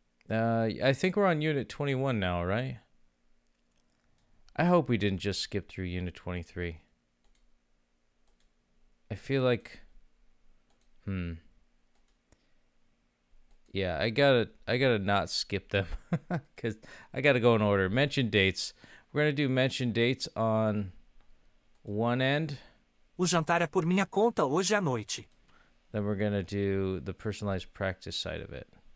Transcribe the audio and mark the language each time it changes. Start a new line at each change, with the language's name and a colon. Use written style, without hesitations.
English: I think we're on unit 21 now, right? I hope we didn't just skip through unit 23. I feel like... Yeah, I gotta not skip them. Because I gotta go in order. Mention dates. We're gonna do mention dates on one end.
Portuguese: O jantar é por minha conta hoje à noite.
English: Then we're going to do the personalized practice side of it.